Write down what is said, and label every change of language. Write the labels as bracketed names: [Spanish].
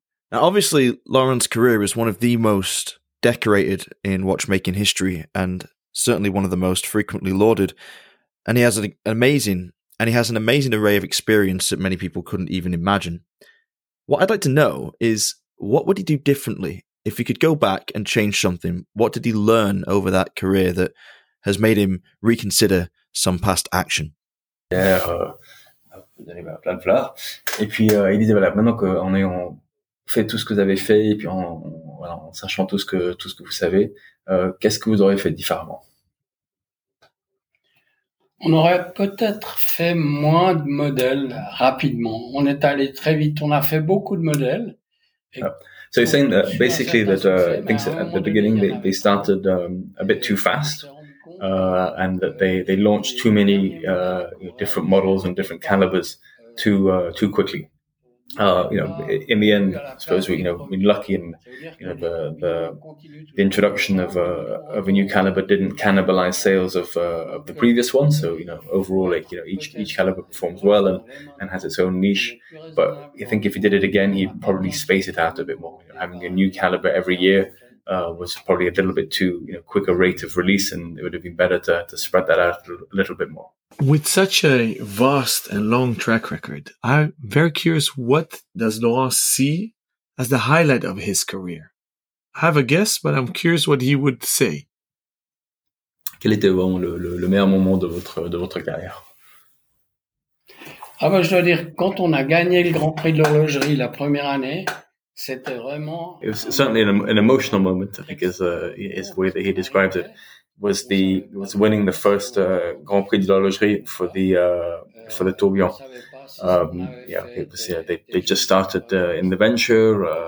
[English] Now, obviously, Laurent's career is one of the most decorated in watchmaking history, and certainly one of the most frequently lauded. And he has an amazing array of experience that many people couldn't even imagine. What I'd like to know is, what would he do differently if he could go back and change something? What did he learn over that career that has made him reconsider some past action. [French] Et puis il disait voilà, maintenant qu'on est en fait tout ce que vous avez fait et puis en, voilà, en sachant tout ce que vous savez, qu'est-ce que vous auriez fait différemment? On aurait peut-être fait moins de modèles rapidement. On est allé très vite. On a fait beaucoup de modèles. [English] So he's saying that basically that things at the beginning they started a bit too fast. And that they launched too many different models and different calibers too quickly. In the end, I suppose we've been lucky, and the introduction of a new caliber didn't cannibalize sales of the previous one. So overall, each caliber performs well and has its own niche. But I think if he did it again, he'd probably space it out a bit more. Having a new caliber every year was probably a little bit too quicker rate of release, and it would have been better to spread that out a little bit more. With such a vast and long track record, I'm very curious, what does Laurent see as the highlight of his career? I have a guess, but I'm curious what he would say. [French] Quel était vraiment le meilleur moment de votre carrière? Ah ben, je dois dire, quand on a gagné le Grand Prix de l'horlogerie la première année, [English] it was certainly an emotional moment, I think, is the way that he described it. Was winning the first Grand Prix de l'Horlogerie for the Tourbillon. They just started in the venture.